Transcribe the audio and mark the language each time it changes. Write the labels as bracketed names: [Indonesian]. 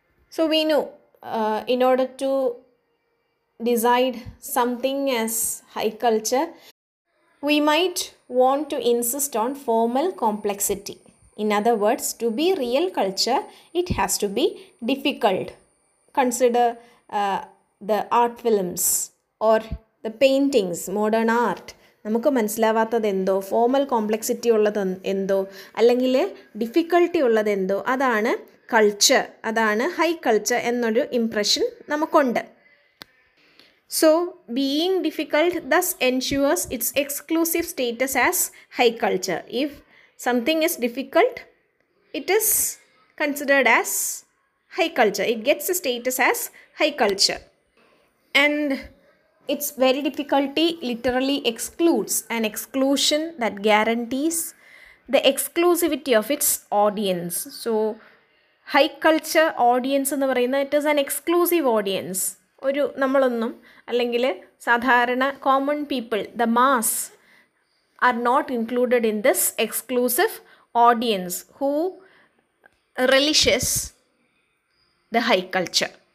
[English] So we know in order to decide something as high culture, we might want to insist on formal complexity. In other words, to be real culture, it has to be difficult. Consider the art films or the paintings, modern art. [Malayalam] നമുക്ക് മനസ്സിലാവാത്തത് എന്തോ, formal complexity ഉള്ളത് എന്തോ, അല്ലെങ്കിൽ difficulty ഉള്ളത് എന്തോ, അതാണ് culture, അതാണ് ഹൈ കൾച്ചർ എന്നൊരു ഇംപ്രഷൻ നമുക്കുണ്ട്. [English] So being difficult thus ensures its exclusive status as high culture. If something is difficult, it is considered as high culture. It gets a status as high culture. And its very difficulty literally excludes an exclusion that guarantees the exclusivity of its audience. So high culture audience [Malayalam] ennu parayna, [English] it is an exclusive audience. [Malayalam] Oru nammalonnum allengile sadharana [English] common people, the mass, are not included in this exclusive audience who relishes the high culture.